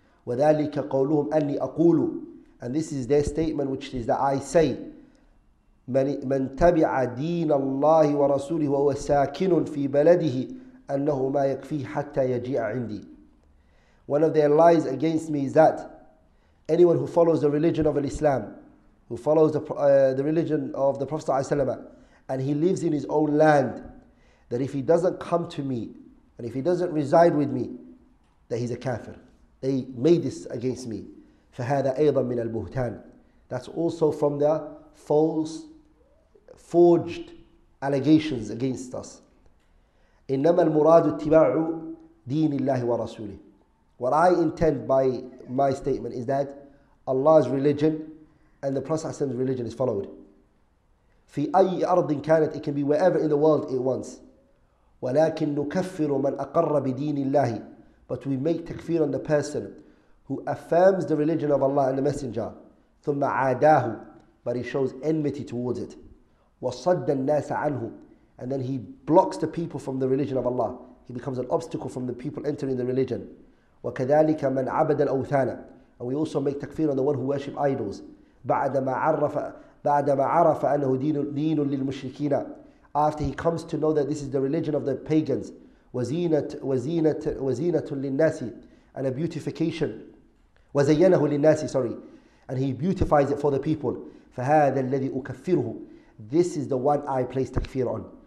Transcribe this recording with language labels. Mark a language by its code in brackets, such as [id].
[ar] وذلك قولهم أني أقول, [en] and this is their statement, which is that I say, [ar] من تبع دين الله ورسوله وهو ساكن في بلده أنه ما يكفي حتى يجيء عندي. [en] One of their lies against me is that anyone who follows the religion of Islam, who follows the religion of the Prophet ﷺ, and he lives in his own land, that if he doesn't come to me and if he doesn't reside with me, that he's a kafir. They made this against me. [ar] فَهَذَا أَيْضًا مِنَ الْبُهْتَانِ. [en] That's also from the false, forged allegations against us. [ar] إِنَّمَا الْمُرَادُ اتِّبَاعُ دِينِ اللَّهِ وَرَسُولِهِ. [en] What I intend by my statement is that Allah's religion and the Prophet's religion is followed. [ar] في أي أرض كانت, [en] it can be wherever in the world it wants. [ar] ولكن نكفر من أقر بدين الله. [en] But we make takfir on the person who affirms the religion of Allah and the Messenger. [ar] ثم عاداه, [en] but he shows enmity towards it. [ar] وصد الناس عنه, [en] and then he blocks the people from the religion of Allah. He becomes an obstacle from the people entering the religion. [ar] وكذلك من عبد الأوثان. [en] And we also make takfir on the one who worship idols. [ar] بعد ما عرف أنه دين للمشركين. [en] After he comes to know that this is the religion of the pagans. [ar] وَزِينَةٌ لِلنَّاسِ, [en] and a beautification. [ar] وَزَيَّنَهُ لِلنَّاسِ, [en] sorry. And he beautifies it for the people. [ar] فَهَذَا الَّذِي أُكَفِّرُهُ. [en] This is the one I place takfir on.